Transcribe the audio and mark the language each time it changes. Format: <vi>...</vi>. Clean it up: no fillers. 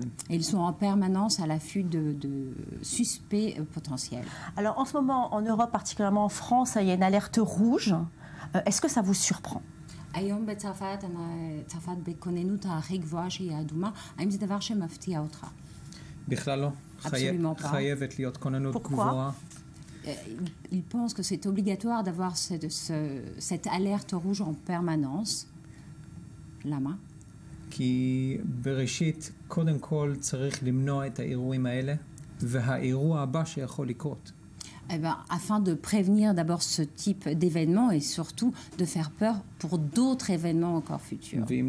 <fr>Ils sont en permanence à l'affût de suspects potentiels. Alors en ce moment, en Europe, particulièrement en France, il y a une alerte rouge. Est-ce que ça vous surprend?</fr> <he>היום בצרפת, צרפת בכוננות הכי גבוהה שהיא האדומה, האם זה דבר שמפתיע אותך? בכלל לא. חייבת להיות כוננות גבוהה.</he> <fr>Il pense que c'est obligatoire d'avoir cette alerte rouge en permanence.</fr> <he>למה? כי בראשית, קודם כל צריך למנוע את האירועים האלה, והאירוע הבא שיכול לקרות.</he> <fr>Eh ben, afin de prévenir d'abord ce type d'événement et surtout de faire peur pour d'autres événements encore futurs.</fr>